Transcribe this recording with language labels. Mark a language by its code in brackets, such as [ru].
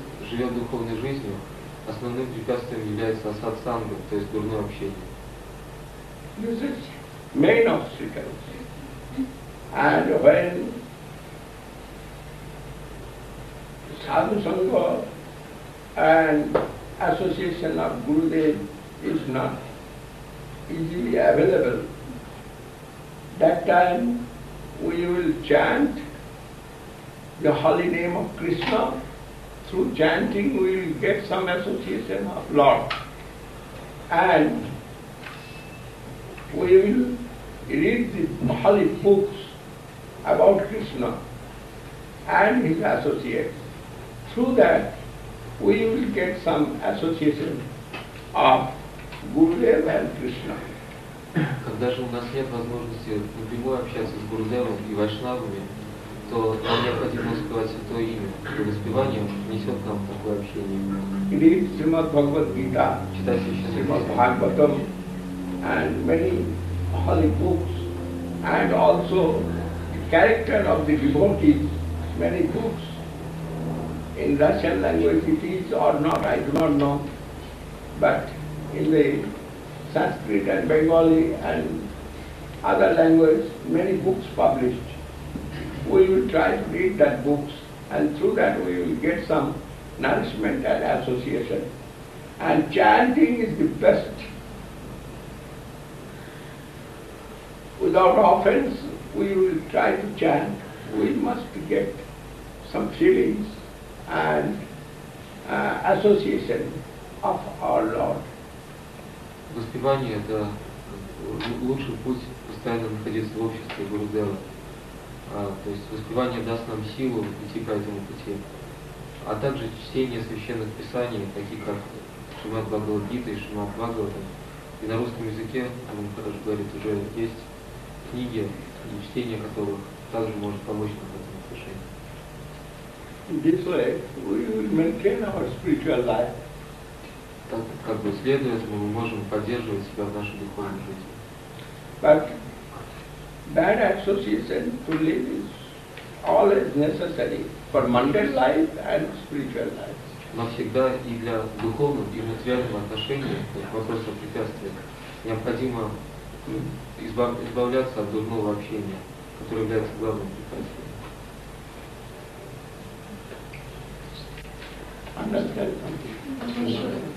[ru] Живет духовной жизнью, основным препятствием является асад-санга, то есть дурное общение. [en] This is main obstacles. And when sadhu-sangha and association of Gurudev is not easily available, that time we will chant the holy name of Krishna. Through chanting we will get some association of Lord and we will read the holy books about Krishna and his associates. Through that we will get some association of Gurudev and Krishna. [ru] Когда же у нас нет возможности напрямую общаться с Гурудевом и Вайшнавами, то нам необходимо успевать Святое Имя. Воспевание несет нам такое общение. [en] Read Srimad Bhagavad Gita, Srimad Bhagavatam, and many holy books, and also the character of the devotees, many books. In Russian language it is or not, I do not know. But in the Sanskrit and Bengali and other languages, many books published. We will try to read that books and through that we will get some nourishment and association. And chanting is the best. Without offense, we will try to chant. We must get some feelings and association of our Lord. [ru] Воспевание – это лучший путь постоянно находиться в обществе Гурудева. То есть воспевание даст нам силу идти по этому пути. А также чтение священных писаний, таких как Шримад Бхагавад Гита и Шримад Бхагаватам. И на русском языке, как он хорошо говорит, уже есть книги, и чтение которых также может помочь нам в этом отношении. [en] This way we will maintain our spiritual life. [ru] Так как бы следуя этому, мы можем поддерживать себя в нашей духовной жизни. [en] Bad association to live is always necessary for mundane life and spiritual life. [ru] Но всегда и для духовного и материального отношения, вопрос о препятствиях, необходимо избавляться от дурного общения, которое является главным препятствием.